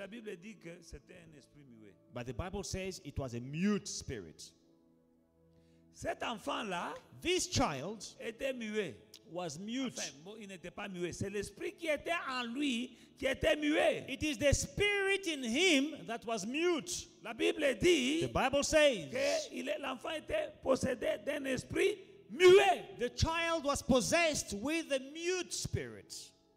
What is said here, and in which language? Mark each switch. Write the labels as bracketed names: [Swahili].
[French] Mais la Bible dit que c'était un esprit muet. [English] But the Bible says it was a mute spirit. [French] Cet enfant-là, [English] this child [French] était muet. [English] Was mute. [French] Enfin, bon, il n'était pas muet. C'est l'esprit qui était en lui qui était muet. [English] It is the spirit in him that was mute. [French] La Bible dit, [English] the Bible says, [French] que l'enfant était possédé d'un esprit muet. [English] The child was possessed with a mute spirit.